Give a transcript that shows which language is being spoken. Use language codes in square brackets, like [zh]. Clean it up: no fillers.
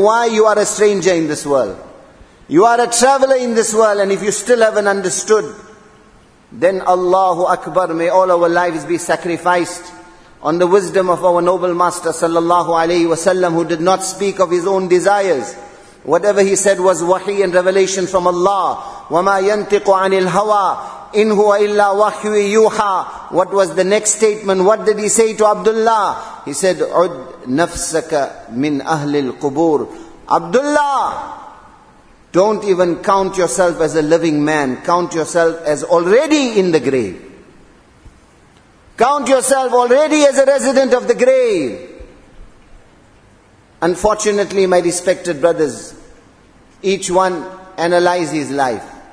[en] Why you are a stranger in this world. You are a traveler in this world, and if you still haven't understood, then Allahu Akbar, may all our lives be sacrificed on the wisdom of our noble master sallallahu alayhi wa sallam, who did not speak of his own desires. Whatever he said was wahi and revelation from Allah. [ar] وَمَا يَنْتِقُ عَنِ الْهَوَىٰ إِنْ هُوَ إِلَّا وَحْيُ يُوحَىٰ. [en] What was the next statement? What did he say to Abdullah? He said, [ar] عُدْ نَفْسَكَ مِنْ أَهْلِ الْقُبُورِ. [en] Abdullah, don't even count yourself as a living man. Count yourself as already in the grave. Count yourself already as a resident of the grave. Unfortunately, my respected brothers, each one analyze his life.